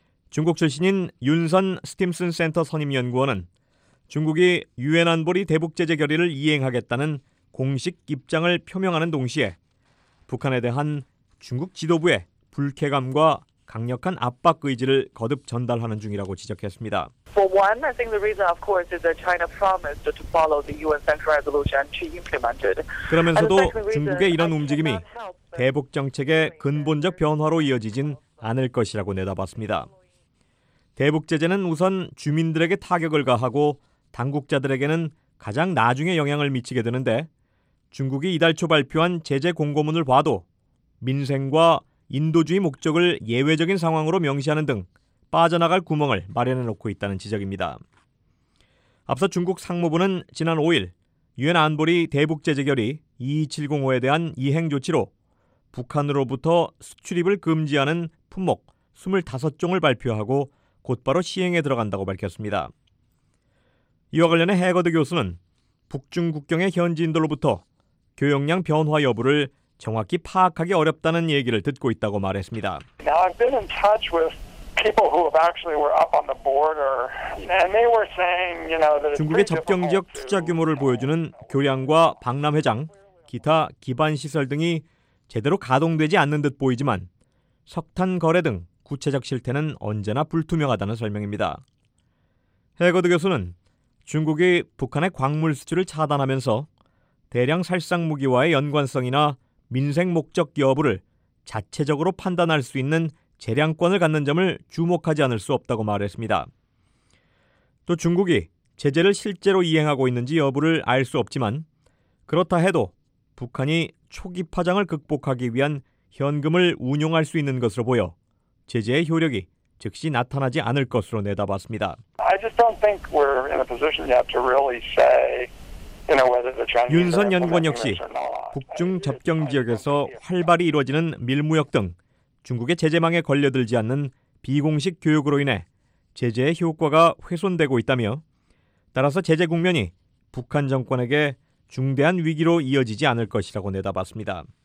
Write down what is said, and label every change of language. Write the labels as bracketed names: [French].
[Korean] 중국 출신인 윤선 스팀슨 센터 선임연구원은 중국이 유엔 안보리 대북 제재 결의를 이행하겠다는 공식 입장을 표명하는 동시에 북한에 대한 중국 지도부의 불쾌감과 강력한 압박 의지를 거듭 전달하는 중이라고 지적했습니다. [English] For one, I think the reason, of course, is that China promised to follow the UN Central Resolution to implement it. [Korean] 그러면서도 중국의 이런 움직임이 대북 정책의 근본적 변화로 이어지진 않을 것이라고 내다봤습니다. 대북 제재는 우선 주민들에게 타격을 가하고 당국자들에게는 가장 나중에 영향을 미치게 되는데 중국이 이달 초 발표한 제재 공고문을 봐도 민생과 인도주의 목적을 예외적인 상황으로 명시하는 등 빠져나갈 구멍을 마련해놓고 있다는 지적입니다. 앞서 중국 상무부는 지난 5일 유엔 안보리 대북 제재 결의 2705에 대한 이행 조치로 북한으로부터 수출입을 금지하는 품목 25종을 발표하고 곧바로 시행에 들어간다고 밝혔습니다. 이와 관련해 해거드 교수는 북중 국경의 현지인들로부터 교역량 변화 여부를 정확히 파악하기 어렵다는 얘기를 듣고 있다고 말했습니다. [English] Now I've been in touch with people who have actually were up on the border and they were saying, you know, that [Korean] 중국의 접경 지역 투자 규모를 보여주는 교량과 박람회장, 기타 기반 시설 등이 제대로 가동되지 않는 듯 보이지만 석탄 거래 등 구체적 실태는 언제나 불투명하다는 설명입니다. 해거드 교수는 중국이 북한의 광물 수출을 차단하면서 대량 살상 무기와의 연관성이나 민생 목적 여부를 자체적으로 판단할 수 있는 재량권을 갖는 점을 주목하지 않을 수 없다고 말했습니다. 또 중국이 제재를 실제로 이행하고 있는지 여부를 알 수 없지만 그렇다 해도 북한이 초기 파장을 극복하기 위한 현금을 운용할 수 있는 것으로 보여 제재의 효력이 즉시 나타나지 않을 것으로 내다봤습니다. [English] I just don't think we're in a position yet to really say [Korean] 윤선 연구원 역시 북중 접경 지역에서 활발히 이루어지는 밀무역 등 중국의 제재망에 걸려들지 않는 비공식 교육으로 인해 제재의 효과가 훼손되고 있다며 따라서 제재 국면이 북한 정권에게 중대한 위기로 이어지지 않을 것이라고 내다봤습니다.